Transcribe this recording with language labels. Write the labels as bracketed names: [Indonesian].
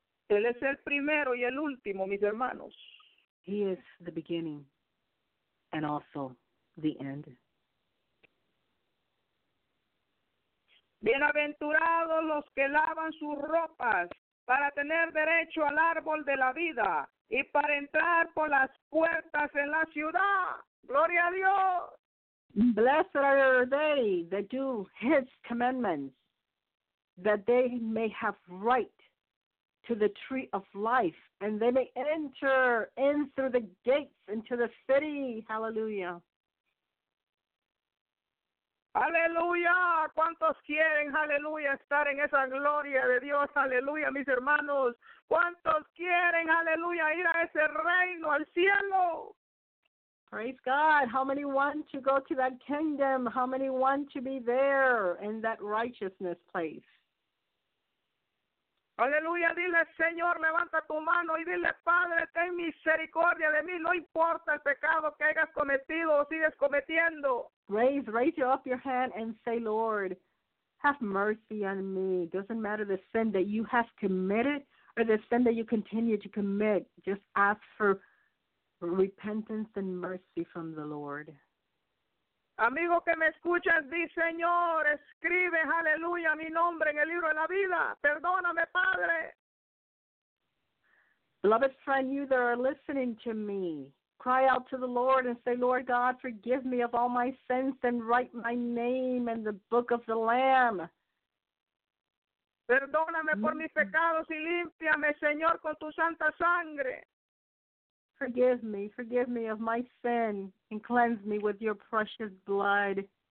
[Spanish] Él es el primero y el último, mis hermanos. [English] He is the beginning and also the end. [Spanish] Bienaventurados los que lavan sus ropas para tener derecho al árbol de la vida y para entrar por las puertas en la ciudad. ¡Gloria a Dios! [English] Blessed are they that do his commandments, that they may have right to the tree of life, and they may enter in through the gates into the city. Hallelujah. [Spanish] Aleluya, ¿cuántos quieren, aleluya, estar en esa gloria de Dios? Aleluya, mis hermanos, ¿cuántos quieren, aleluya, ir a ese reino, al cielo? [English] Praise God, how many want to go to that kingdom? How many want to be there in that righteousness place? [Spanish] Aleluya, dile, Señor, levanta tu mano y dile, Padre, ten misericordia de mí, no importa el pecado que hayas cometido o sigues cometiendo. [English] Raise up your hand and say, Lord, have mercy on me. Doesn't matter the sin that you have committed or the sin that you continue to commit. Just ask for repentance and mercy from the Lord. [Spanish] Amigo que me escuchas, di, Señor, escribe, aleluya, mi nombre en el libro de la vida. Perdóname, Padre. [English] Beloved friend, you that are listening to me, cry out to the Lord and say, Lord God, forgive me of all my sins and write my name in the book of the Lamb. [Spanish] Perdóname por mis pecados y límpiame, Señor, con tu santa sangre. [English] Forgive me of my sin and cleanse me with your precious blood.